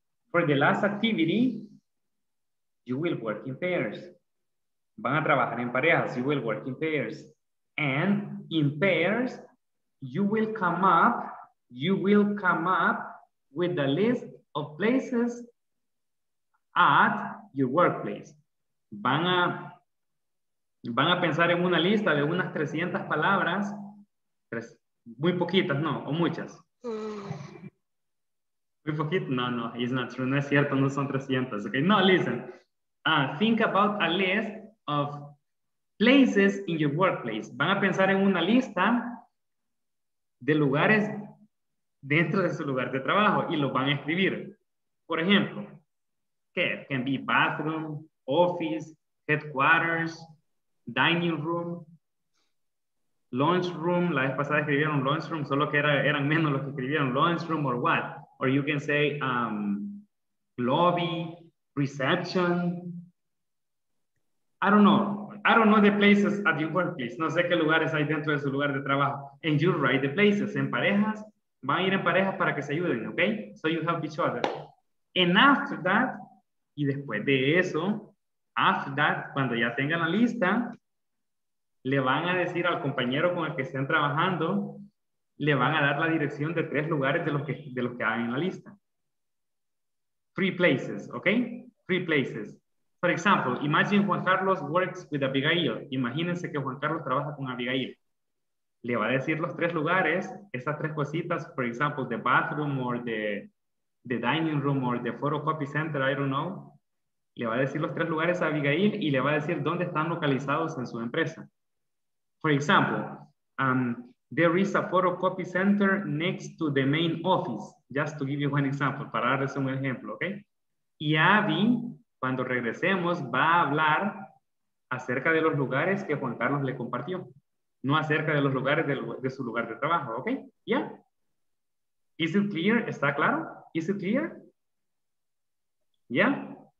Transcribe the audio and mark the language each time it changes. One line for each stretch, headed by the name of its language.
English: For the last activity, you will work in pairs.
Spanish: Van a trabajar en parejas.
English: You will work in pairs. And in pairs, you will come up with the list of places at your workplace.
Spanish: Van a pensar en una lista de unas 300 palabras, muy poquitas, no, o muchas. Muy poquitas, no,
English: it's not true,
Spanish: no es cierto, no son 300, okay? No, listen.
English: Think about a list of places in your workplace.
Spanish: Van a pensar en una lista de lugares dentro de su lugar de trabajo y lo van a escribir. Por ejemplo, ¿qué?
English: Can be bathroom, office, headquarters, dining room, lunch room.
Spanish: La vez pasada escribieron lunch room, solo que eran menos los que escribieron lunch room or what.
English: Or you can say lobby, reception. I don't know the places at your workplace.
Spanish: No sé qué lugares hay dentro de su lugar de trabajo.
English: And you write the places
Spanish: en parejas. Van a ir en parejas para que se ayuden, ¿ok?
English: So you help each other. And after that,
Spanish: y después de eso,
English: after that,
Spanish: cuando ya tengan la lista, le van a decir al compañero con el que estén trabajando, le van a dar la dirección de tres lugares de los que hay en la lista.
English: Three places,
Spanish: ¿ok?
English: Three places. For example, imagine Juan Carlos works with Abigail.
Spanish: Imagínense que Juan Carlos trabaja con Abigail. Le va a decir los tres lugares, esas tres cositas,
English: for example, the bathroom or the dining room or the photocopy center, I don't know.
Spanish: Le va a decir los tres lugares a Abigail y le va a decir dónde están localizados en su empresa.
English: For example, there is a photocopy center next to the main office. Just to give you one example,
Spanish: para darles un ejemplo,
English: ¿ok?
Spanish: Y Abby, cuando regresemos, va a hablar acerca de los lugares que Juan Carlos le compartió. No acerca de los lugares de su lugar de trabajo, ¿ok?
English: Yeah. Is it clear?
Spanish: ¿Está claro?
English: Is it clear? Yeah.